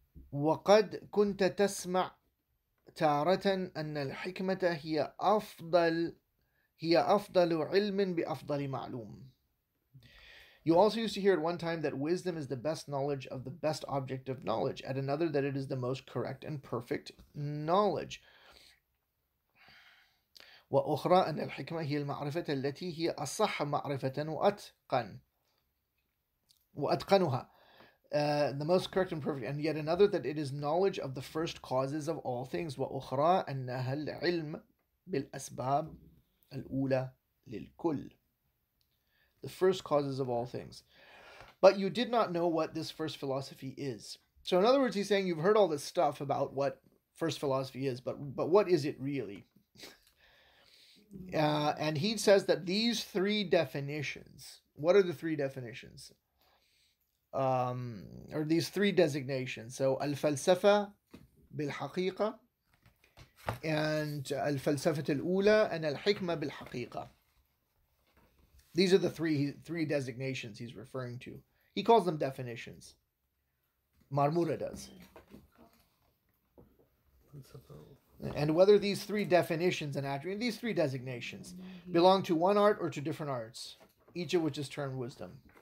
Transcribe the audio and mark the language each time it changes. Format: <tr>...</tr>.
<ar>Wa qad kunta tasma' taratan anna al-hikmata hiya afdal. هي أفضل علم بأفضل معلوم.</ar> <en>You also used to hear at one time that wisdom is the best knowledge of the best object of knowledge. At another, that it is the most correct and perfect knowledge.</en> <ar>وأخرى أن الحكمة هي المعرفة التي هي أصح معرفة وأتقن وأتقنها.</ar> <en>The most correct and perfect. And yet another, that it is knowledge of the first causes of all things.</en> <ar>وأخرى أنها العلم بالأسباب الأولى للكل.</ar> <en>The first causes of all things. But you did not know what this first philosophy is. So in other words, he's saying you've heard all this stuff about what first philosophy is, but what is it really? And he says that these three definitions, what are the three definitions? Or these three designations.</en> <ar>So الفلسفة بالحقيقة, and الفلسفة الأولى, and الحكمة بالحقيقة.</ar> <en>These are the three designations he's referring to. He calls them definitions. Marmura does. And whether these three definitions and attributes, these three designations, belong to one art or to different arts, each of which is termed wisdom.</en>